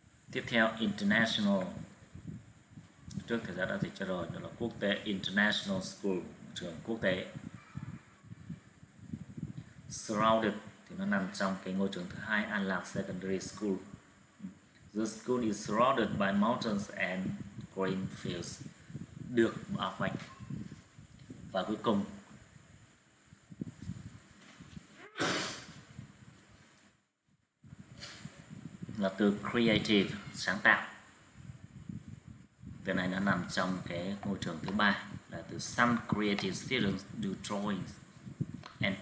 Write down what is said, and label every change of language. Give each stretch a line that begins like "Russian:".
Vietnamese: Tiếp theo, international. Trước thời gian đã dịch cho rồi, nó là quốc tế, international school, trường quốc tế. Surrounded thì nó nằm trong cái ngôi trường thứ hai, An Lạc Secondary School.
English: The school is surrounded by mountains and green fields.
Vietnamese: Được bao quanh. Và cuối cùng, là từ creative, sáng tạo. Từ này nó nằm trong cái ngôi trường thứ ba, là từ
English: some creative students do drawings and